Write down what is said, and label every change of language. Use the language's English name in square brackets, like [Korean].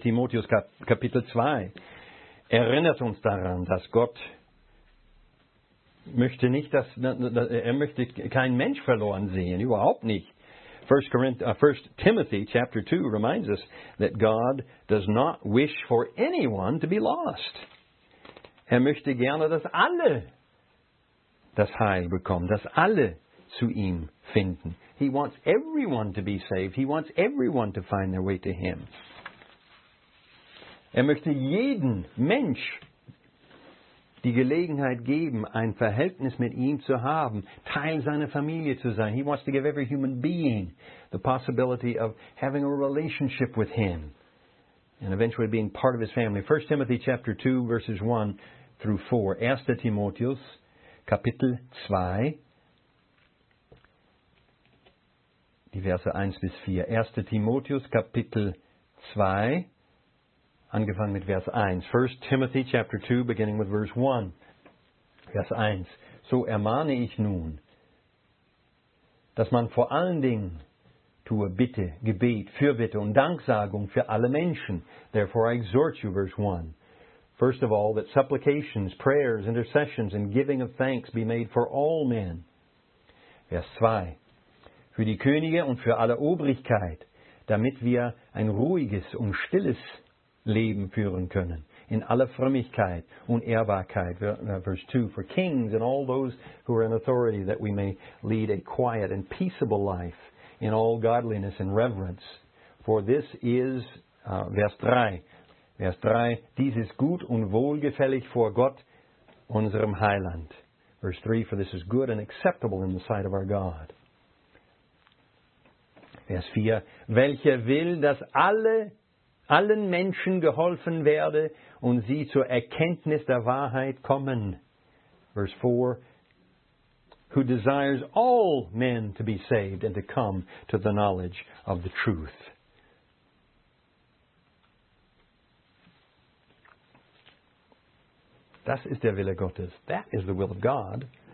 [German] Timotheus Kapitel 2 erinnert uns daran, dass Gott möchte nicht, dass er möchte keinen Mensch verloren sehen, überhaupt nicht. [English] 1 Timothy chapter 2 reminds us that God does not wish for anyone to be lost. [German] Er möchte gerne, dass alle das Heil bekommen, dass alle zu ihm finden. [English] He wants everyone to be saved. He wants everyone to find their way to him. [German] Er möchte jeden Mensch die Gelegenheit geben, ein Verhältnis mit ihm zu haben, Teil seiner Familie zu sein. [English] He wants to give every human being the possibility of having a relationship with him and eventually being part of his family. 1 Timothy chapter 2, verses 1 through 4. 1. [German] Timotheus, Kapitel 2, die Verse 1 bis 4. 1. Timotheus, Kapitel 2, angefangen mit Vers 1. 1. [English] Timothy, chapter 2, beginning with verse 1. Vers 1. [German] So ermahne ich nun, dass man vor allen Dingen tue Bitte, Gebet, Fürbitte und Danksagung für alle Menschen. [English] Therefore I exhort you, verse 1. First of all, that supplications, prayers, intercessions and giving of thanks be made for all men. [German] Vers 2. Für die Könige und für alle Obrigkeit, damit wir ein ruhiges und stilles Leben führen können, in aller Frömmigkeit und Ehrbarkeit. [English] Verse 2, for kings and all those who are in authority, that we may lead a quiet and peaceable life in all godliness and reverence. For this is, [German] Vers 3, dies ist gut und wohlgefällig vor Gott, unserem Heiland. [English] Verse 3, for this is good and acceptable in the sight of our God. [German] Vers 4, welcher will, dass allen Menschen geholfen werde und sie zur Erkenntnis der Wahrheit kommen. [English] Verse 4, who desires all men to be saved and to come to the knowledge of the truth. [German] Das ist der Wille Gottes. [English] That is the will of God.